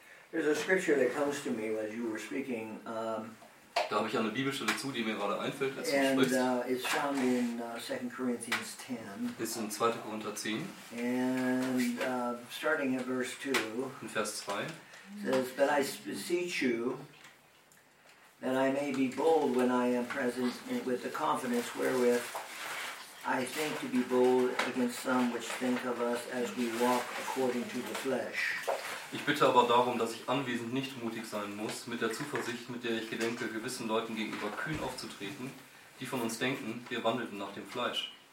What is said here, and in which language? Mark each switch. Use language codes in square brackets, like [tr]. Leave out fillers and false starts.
[en] There's a scripture that comes to me as you were speaking. [de] Da habe ich eine Bibelstelle zu, die mir gerade einfällt, als du [en] and, [de] sprichst. [en] It's found in 2 Corinthians 10. [de] Ist in 2. Korinther 10. [en] And starting at verse 2. [de] In Vers 2. [en] Says, but I beseech you that I may be bold when I am present with the confidence wherewith I think to be bold against some which think of us as we walk according to the flesh. [de] Ich bitte aber darum, dass ich anwesend nicht mutig sein muss, mit der Zuversicht, mit der ich gedenke, gewissen Leuten gegenüber kühn aufzutreten, die von uns denken, wir wandelten nach dem Fleisch.